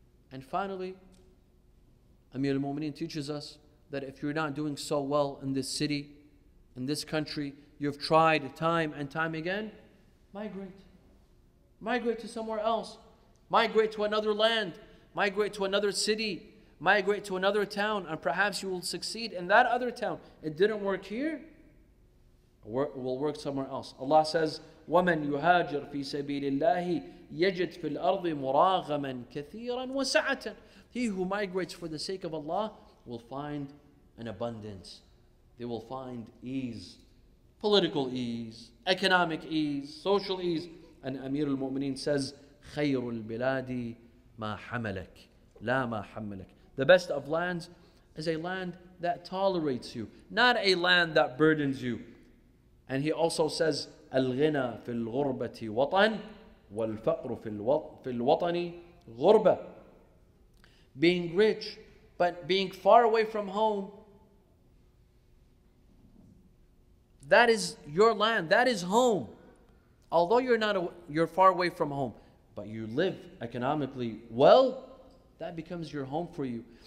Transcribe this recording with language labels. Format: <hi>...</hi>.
<en>And finally, Amir al-Mu'mineen teaches us that if you're not doing so well in this city, in this country, you've tried time and time again, migrate. Migrate to somewhere else. Migrate to another land. Migrate to another city. Migrate to another town, and perhaps you will succeed in that other town. It didn't work here, it will work somewhere else.</en> <ar>Allah says, وَمَنْ يُهَاجِرْ فِي سَبِيلِ اللَّهِ يَجِدْ فِي الْأَرْضِ مُرَاغَمًا كَثِيرًا وَسَعَةً.</ar> <en>He who migrates for the sake of Allah will find an abundance. They will find ease, political ease, economic ease, social ease.</en> <ar>And Amir al-Mu'mineen says, خَيْرُ الْبِلَادِ مَا حَمَلَكْ لَا مَا حَمَلَكْ.</ar> <en>The best of lands is a land that tolerates you, not a land that burdens you.</en> <ar>And he also says, الْغِنَى فِي الْغُرْبَةِ وَطَنْ وَالْفَقْرُ فِي الْوَطَنِ غُرْبَةِ.</ar> <en>Being rich, but being far away from home, that is your land, that is home. Although you're far away from home, but you live economically well, that becomes your home for you.</en>